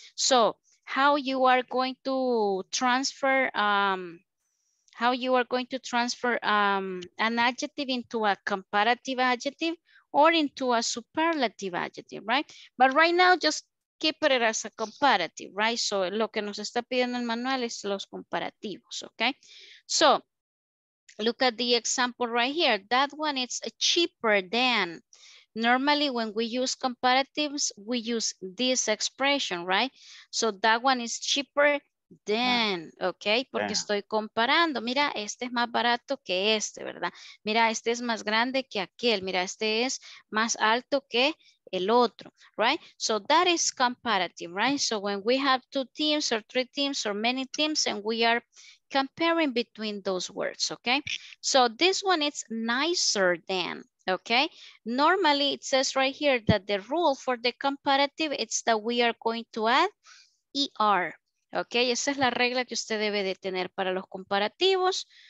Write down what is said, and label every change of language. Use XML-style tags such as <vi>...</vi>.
<en>So how you are going to transfer an adjective into a comparative adjective or into a superlative adjective, right? But right now just keep it as a comparative, right?</en> <es>So lo que nos está pidiendo el manual es los comparativos, okay?</es> <en>So look at the example right here. That one is cheaper than. Normally when we use comparatives, we use this expression, right? So that one is cheaper than, okay?</en> <es>Porque estoy comparando. Mira, este es más barato que este, ¿verdad? Mira, este es más grande que aquel. Mira, este es más alto que el otro, right?</es> <en>So that is comparative, right? So when we have two teams or three teams or many teams and we are comparing between those words, okay? So this one is nicer than, okay? Normally it says right here that the rule for the comparative is that we are going to add ER, okay?</en> <es>Esa es la regla que usted debe de tener para los comparativos.</es>